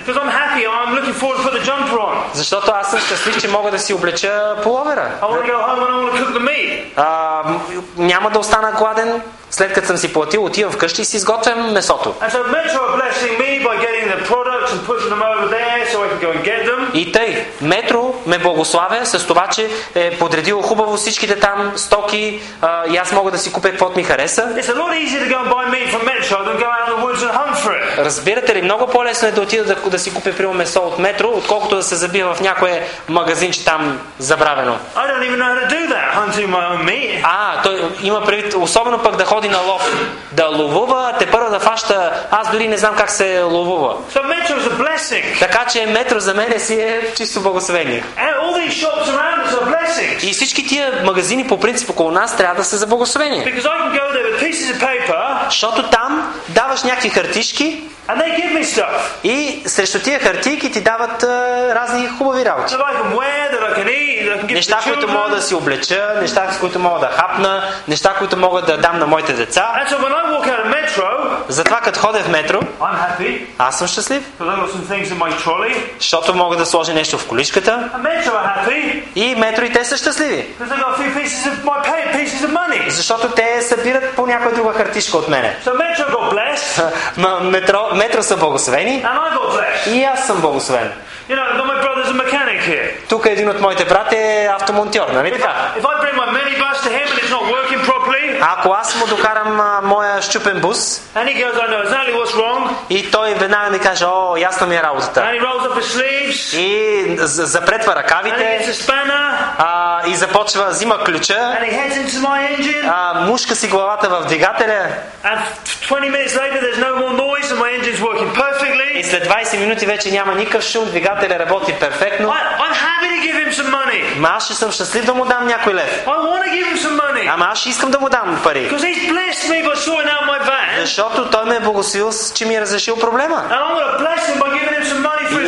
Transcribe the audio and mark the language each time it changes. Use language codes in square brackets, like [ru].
[en] Because I'm happy, I'm looking forward to put the jumper on. [bg] Защото аз съм щастлив, че мога да си облеча пуловера. [en] I want to go home and I want to cook the meat. [bg] Няма да остана гладен. След като съм си платил, отивам вкъщи и си изготвям месото. [en] And so Metro are blessing me by getting the product and putting them over there so I can go and get them. [bg] И тъй, Метро ме благославя с това, че е подредило хубаво всичките там стоки, и аз мога да си купя каквото ми хареса. [en] It's a lot easier to go and buy meat from Metro than go out in the woods and hunt for it. [bg] Разбирате ли, много по-лесно е да отида да си купя прямо месо от Метро, отколкото да се забия в някое магазинче там забравено. [en] I don't even know how to do that, hunting my own meat. [bg] А, той има предвид, особено пък да ходи на лов, да ловува, те първо да фаща, аз дори не знам как се ловува. [en] So Metro is a blessing. [bg] Така че Метро за мен си е чисто благословение. [en] And all these shops around us are blessings. [bg] И всички тия магазини по принцип около нас трябва да са за благословение. [en] Because I can go there with pieces of paper. [bg] Защото там даваш някакви хартишки. [en] And they give me stuff. [bg] И срещу тия хартийки ти дават разни хубави работи. [en] That I can wear, that I can eat, that I can give [bg] неща, които мога да си облеча, неща, с които мога да хапна, неща, които мога да дам на моите деца. [en] And so when I walk out of Metro, [bg] затова като ходя в Метро, [en] I'm happy, [bg] аз съм щастлив. [en] Because I got some things in my trolley, [bg] защото мога да сложа нещо в количката. [en] And Metro are happy, [bg] и Метро и те са щастливи. [en] Because I got a few pieces of my pay, pieces of money. [bg] Защото те събират по някоя друга хартишка от мене. [en] So Metro got blessed. [bg] Метро са благословени. [en] And I got blessed. [bg] И аз съм благословен. [en] You know, my brother's a mechanic here. [bg] Тук един от моите брати е автомонтьор, нали така? [en] If I bring my minibus to him and it's not working properly, [bg] ако аз му докарам моя счупен бус, [en] and he goes, I know exactly what's wrong, [bg] и той веднага ми каже, о, ясна ми е работата. [en] And he rolls up his sleeves, [bg] и запретва ръкавите, [en] and he gets a spanner, [bg] и започва, взима ключа, [en] and he heads into my engine, [bg] мушка си главата в двигателя, [en] and 20 minutes later there's no more noise and my engine's working perfectly. [bg] И след 20 минути вече няма никакъв шум, двигателя работи перфектно. [en] I'm happy to give him some money. [bg] Ма аз ще съм щастлив да му дам някой лев. [en] I wanna give him some money. [bg] Ама аз искам да му дам пари. [en] Because he's blessed me by sorting out my van. [bg] Защото той ме е благословил, че ми е разрешил проблема. [en] And I'm gonna bless him by giving him some money for his work.